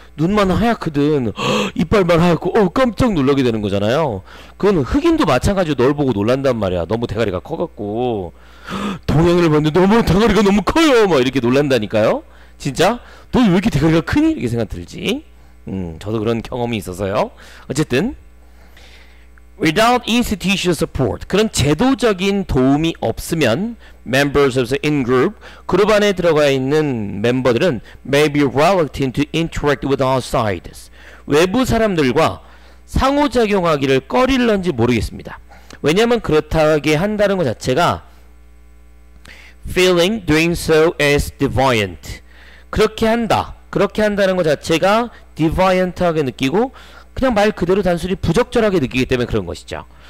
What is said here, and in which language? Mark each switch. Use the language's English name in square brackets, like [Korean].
[Korean] 눈만 하얗거든. 이빨만 하얗고 깜짝 놀라게 되는 거잖아요. 그건 흑인도 마찬가지로 널 보고 놀란단 말이야. 너무 대가리가 커갖고 동양인을 봤는데 너무 대가리가 너무 커요. 막 이렇게 놀란다니까요. 진짜? 너 왜 이렇게 대가리가 크니? 이렇게 생각 들지. 저도 그런 경험이 있어서요. 어쨌든 [English] Without institutional support, [Korean] 그런 제도적인 도움이 없으면 [English] members of the in-group, [Korean] 그룹 안에 들어가 있는 멤버들은 [English] may be reluctant to interact with outsiders. [Korean] 외부 사람들과 상호작용하기를 꺼릴런지 모르겠습니다. 왜냐하면 그렇다게 한다는 것 자체가 [English] feeling doing so as defiant. [Korean] 그렇게 한다. 그렇게 한다는 것 자체가 defiant하게 느끼고 그냥 말 그대로 단순히 부적절하게 느끼기 때문에 그런 것이죠.